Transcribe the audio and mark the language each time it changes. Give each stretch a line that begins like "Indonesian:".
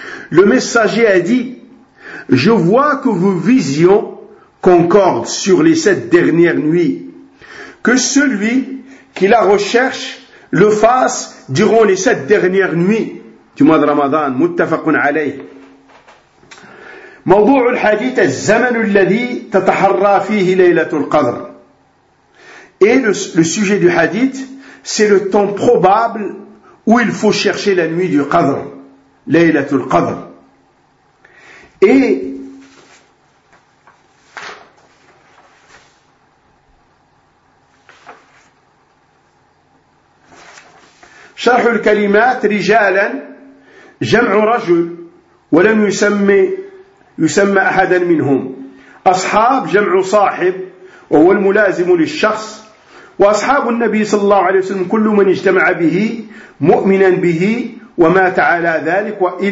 French: Le messager a dit: je vois que vos visions concordent sur les sept dernières nuits. Que celui qui la recherche le fasse durant les sept dernières nuits du mois de Ramadan.
Arabic: Muttafaqun alayh. موضوع الحديث الزمن الذي تتحرى فيه ليلة القدر.
French: Et le sujet du hadith, c'est le temps probable où il faut chercher la nuit du Qadr, Laylatul Qadr.
Arabic: Et شرح الكلمات رجالا جمع رجل ولم يسمى أحدا منهم أصحاب جمع صاحب وهو الملازم للشخص وأصحاب النبي صلى الله عليه وسلم كل من اجتمع به مؤمنا به ومات على ذلك